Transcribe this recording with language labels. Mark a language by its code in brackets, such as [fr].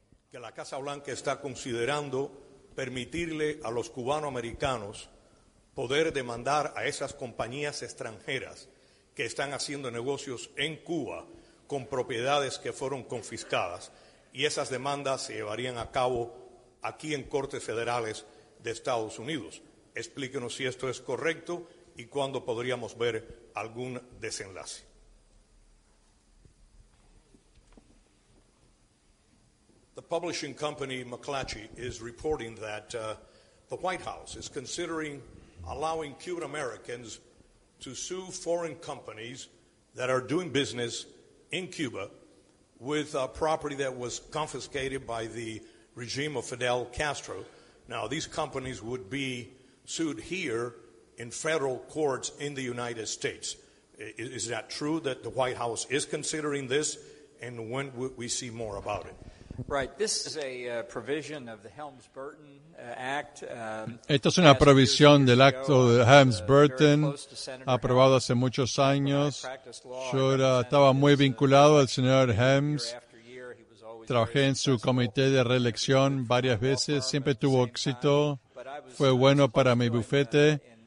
[es] Que la Casa Blanca está considerando permitirle a los cubanoamericanos poder demandar a esas compañías extranjeras que están haciendo negocios en Cuba con propiedades que fueron confiscadas, y esas demandas se llevarían a cabo aquí en Cortes Federales de Estados Unidos. Explíquenos si esto es correcto y cuándo podríamos ver algún desenlace. [en] The publishing company McClatchy is reporting that the White House is considering allowing Cuban Americans to sue foreign companies that are doing business in Cuba with a property that was confiscated by the regime of Fidel Castro. Now, these companies would be sued here in federal courts in the United States. Is that true that the White House is considering this, and when would we see more about it? Right. This is a provision of the Helms-Burton Act. [es] Esto es una provisión del acto de Helms-Burton, aprobado hace muchos años. Yo estaba muy vinculado al señor Helms. Trabajé en su comité de reelección varias veces. Siempre tuvo éxito. Fue bueno para mi bufete.